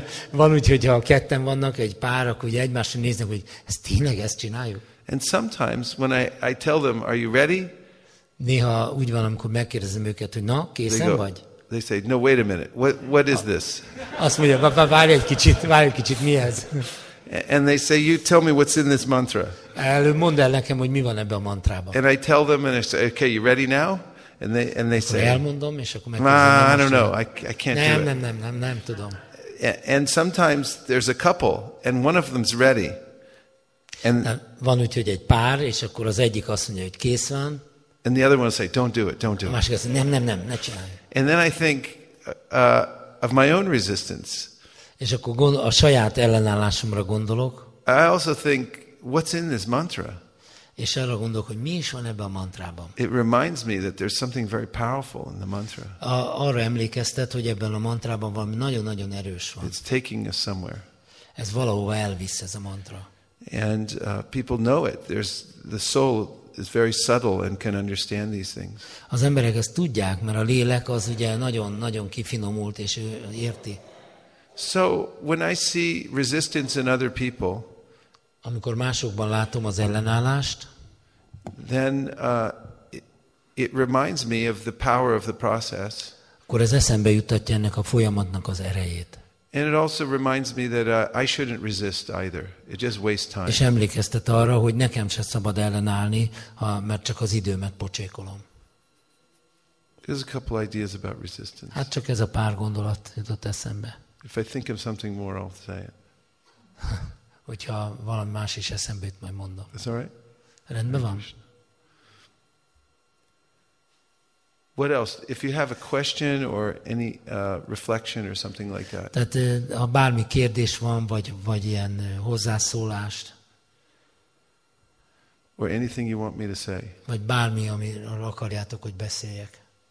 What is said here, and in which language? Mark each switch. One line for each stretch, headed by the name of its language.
Hungarian: Van úgy, hogy ha ketten vannak egy pár, akkor egymásra néznek, hogy ezt tényleg ezt csináljuk.
English: And sometimes when I tell them, are you ready?
Hungarian: Néha úgy van, amikor megkérdezem őket, hogy na, készen vagy?
English: They say, no, wait a minute, what is this?
Hungarian: Azt mondja, várj egy kicsit, mi ez?
English: And they say, you tell me what's in this mantra.
Hungarian: Előbb mondd el nekem, hogy mi van ebben a mantrában.
English: And I tell them, and I say, okay, you ready now? And they
Hungarian: akkor
English: say,
Hungarian: elmondom, és akkor megkérdezem.
English: I don't know, I can't
Hungarian: nem,
English: do it.
Hungarian: Nem tudom.
English: And sometimes there's a couple, and one of them's ready.
Hungarian: And van úgy, hogy egy pár, és akkor az egyik azt mondja, hogy kész van.
English: And the other one say, don't do it, don't do it.
Hungarian: A másik azt mondja, nem, ne csinálj.
English: And then I think of my own resistance.
Hungarian: És akkor a saját ellenállásomra gondolok.
English: I also think, what's in this mantra?
Hungarian: És arra gondolok, hogy mi is van ebben a mantrában.
English: It reminds me that there's something very powerful in the mantra.
Hungarian: Arra emlékeztet, hogy ebben a mantrában valami nagyon-nagyon erős van.
English: It's taking us somewhere.
Hungarian: Ez valahova elvisz, ez a mantra.
English: And people know it. There's the soul is very subtle and can understand these things.
Hungarian: Az emberek ezt tudják, mert a lélek az ugye nagyon-nagyon kifinomult, és ő érti.
English: So, when I see resistance in other people,
Hungarian: amikor másokban látom az ellenállást,
English: then it reminds me of the power of the process.
Hungarian: Akkor ez eszembe juttatja ennek a folyamatnak az erejét.
English: And it also reminds me that I shouldn't resist either. It just wastes time.
Hungarian: És emlékeztet arra, hogy nekem sem szabad ellenállni, mert csak az időmet pocsékolom.
English: There's a couple ideas about resistance.
Hungarian: Hát csak ez a pár gondolat jutott eszembe.
English: If I think of something more, I'll say it.
Hungarian: Hogyha valami más is eszembe jut, majd mondom.
English: That's all right?
Hungarian: Rendben van.
English: What else? If you have a question or any reflection or something like that.
Hungarian: Tehát ha bármi kérdés van, vagy ilyen hozzászólást.
English: Or anything you want me to say.
Hungarian: Vagy bármi, amiről akarjátok, hogy beszéljek.